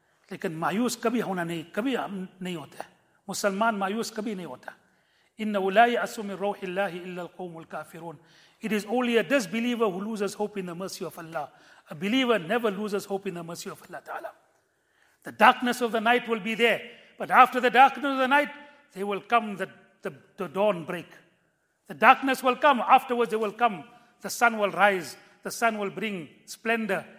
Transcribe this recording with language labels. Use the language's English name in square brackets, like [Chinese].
[Urdu] لیکن مایوس کبھی ہونا نہیں, کبھی ہم نہیں ہوتا ہے. مسلمان مایوس کبھی نہیں ہوتا. [Arabic] انه لا يأس من روح الله الا القوم الكافرون. [English] It is only a disbeliever who loses hope in the mercy of Allah. A believer never loses hope in the mercy of Allah Ta'ala. The darkness of the night will be there. But after the darkness of the night, there will come the dawn break. The darkness will come. Afterwards, there will come. The sun will rise. The sun will bring splendor.